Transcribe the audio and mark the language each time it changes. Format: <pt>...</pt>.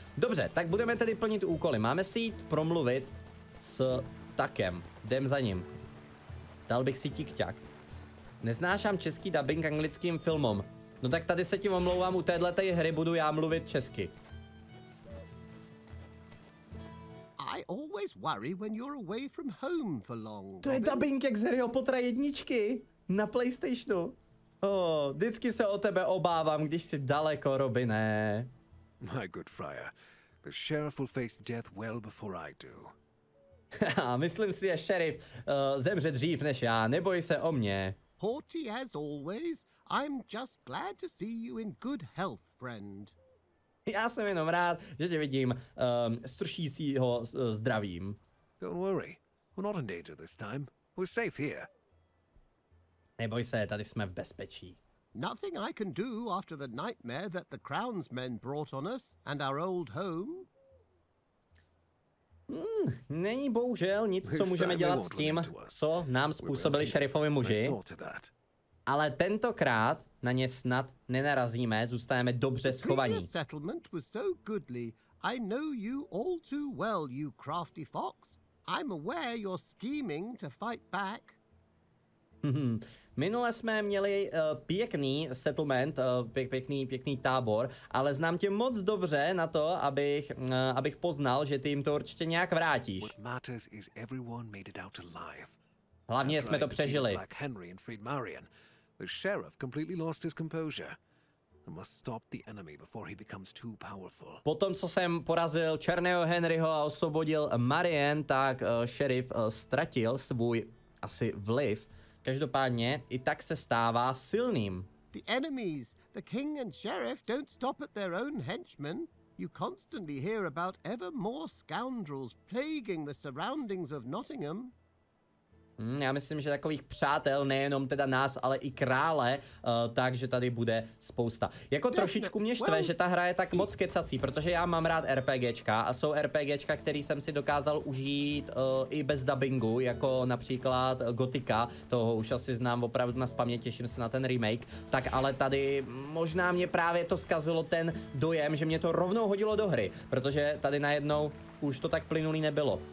<cs>Dobře, tak budeme tedy plnit úkoly. Máme si jít promluvit s Takem. Jdem za ním. Dal bych si ti kťak. Neznášám český dubbing anglickým filmom. No tak tady se tím omlouvám, u téhletej hry budu já mluvit česky.</cs> <en>I always worry when you're away from home for long.</en> <cs>To je dubbing jak z Harryho Pottera jedničky na PlayStationu. Oh, vždycky se o tebe obávám, když jsi daleko, Robine.</cs> <en>My good friar, the sheriff will face death well before I do.</en> <cs>Myslím si, že šerif zemře dřív než já. Neboj se o mě.</cs> <en>Horty as always, I'm just glad to see you in good health, friend.</en> <cs>Já jsem jenom rád, že tě vidím sršícího zdravím.</cs> <en>Don't worry, we're not in danger this time. We're safe here.</en> <cs>Neboj se, tady jsme v bezpečí.</cs> <en>Nothing I can do after the nightmare that the Crown's men brought on us and our old home.</en> <cs>Není bohužel nic, co můžeme dělat s tím, co nám způsobili šerifovi muži. Ale tentokrát na ně snad nenarazíme, zůstaneme dobře schovaní.</cs> <en>The settlement was so goodly. I know you all too well, you crafty fox. I'm aware you're scheming to fight back.</en> <cs>Minule jsme měli pěkný settlement, pěkný tábor, ale znám tě moc dobře na to, abych poznal, že ty jim to určitě nějak vrátíš.</cs> <en>What matters is everyone made it out alive.</en> <cs>Hlavně jsme to přežili.</cs> <en>Like Henry and Fried Marian. The sheriff completely lost his composure. I must stop the enemy before he becomes too powerful.</en> <cs>Potom, co jsem porazil černého Henryho a osvobodil Marian, tak šerif ztratil svůj asi vliv. Každopádně i tak se stává silným.</cs> <en>The enemies, the king and sheriff don't stop at their own henchmen. You constantly hear about ever more scoundrels plaguing the surroundings of Nottingham.</en> <cs>Já myslím, že takových přátel, nejenom teda nás, ale i krále, takže tady bude spousta. Jako trošičku mě štve, že ta hra je tak moc kecací, protože já mám rád RPGčka a jsou RPGčka, který jsem si dokázal užít i bez dubbingu, jako například Gotika, toho už asi znám opravdu na spamě, těším se na ten remake, tak ale tady možná mě právě to zkazilo ten dojem, že mě to rovnou hodilo do hry, protože tady najednou už to tak plynulý nebylo.</cs>